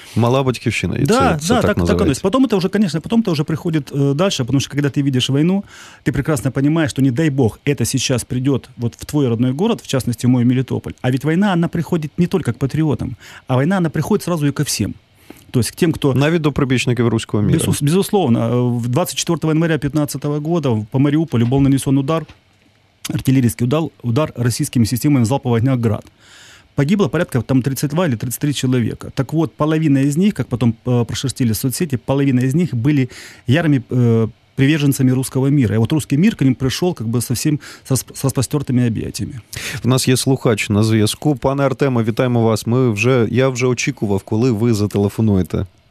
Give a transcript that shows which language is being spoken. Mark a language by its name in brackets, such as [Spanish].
[Ukrainian] Мала батьківщина. Да, це, да, так. [Russian] Потом это уже, конечно, потом это уже приходит дальше, потому что когда ты видишь войну, ты прекрасно понимаешь, что не дай бог это сейчас придет вот в твой родной город, в частности мой Мелитополь. А ведь война, она приходит не только к патриотам, а война, она приходит сразу и ко всем. [Ukrainian] Тобто тим, хто... Навіть до прибічників руського міра. [Russian] Безусловно. 24 января 2015 года [Ukrainian] по Маріуполю був нанесен удар, артилерійський удар, удар російськими системами залпового вогню «Град». [Russian] Погибло порядка там 32 или 33 человека. Так вот, половина из них, как потом прошерстили соцсети, половина из них были ярыми приверженцами русского мира. И вот русский мир к ним пришел как бы совсем с распростертыми объятиями. У нас есть [Ukrainian] слухач на зв'язку. Пане Артема, витаем вас. Мы уже, я уже очікував, коли ви зателефонуєте.